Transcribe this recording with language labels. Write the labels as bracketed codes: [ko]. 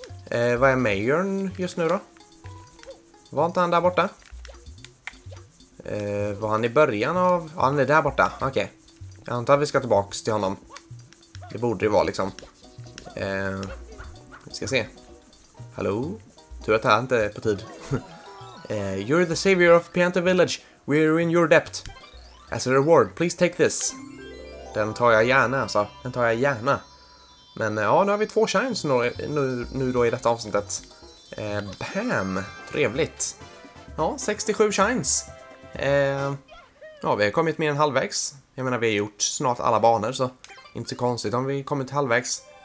[sv] Vad är Majorn just nu då? Var inte han där borta? Var han i början av... Ja, han är där borta. Okej. Okay. Jag antar att vi ska tillbaka till honom. Det borde ju vara liksom. Vi ska se. Hallå? Tur att det här inte är på tid. [en] You're the savior of Pianeta Village. We're in your debt. As a reward, please take this. [sv] Den tar jag gärna, alltså. Den tar jag gärna. Men ja, nu har vi 2 shines nu då i detta avsnittet. Bam! Trevligt. Ja, 67 shines. Ja, vi har kommit mer än halvvägs. Jag menar, vi har gjort snart alla banor, så inte så konstigt om vi har kommit halvvägs.